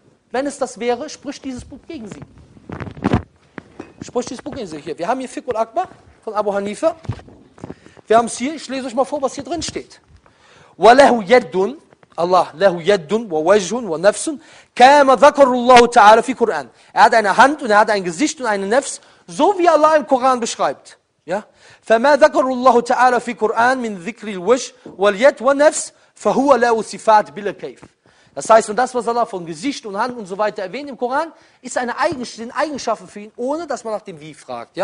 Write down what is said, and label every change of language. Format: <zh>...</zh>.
<de>Wenn es das wäre, spricht dieses Buch gegen sie. Spricht dieses Buch gegen sie hier. Wir haben hier Fiqhul Akbar von Abu Hanifa. Wir haben es hier, ich lese euch mal vor, was hier drin steht.</de> <ar>وَلَهُ يَدٌ Allah, لَهُ يَدٌ وَوَجْهٌ وَنَفْسٌ كَمَا ذَكَرُ اللَّهُ تَعَالَ فِي قُرْآنٍ.</ar> <de>Er hat eine Hand und er hat ein Gesicht und eine Nefs, so wie Allah im Koran beschreibt.</de> <ar>Ja? فَمَا ذَكَرُ اللَّهُ تَعَالَ فِي قُرْآنٍ مِنْ ذِكْرِ الْوَجْهِ وَالْيَدٍ وَنَفْسٍ فَهُوَ لَهُ صِفَاتٌ بِلَا كَيْفٍ.</ar> <de>Das heißt, und das, was Allah von Gesicht und Hand und so weiter erwähnt im Koran, ist eine Eigenschaft für ihn, ohne dass man nach dem Wie fragt.</de>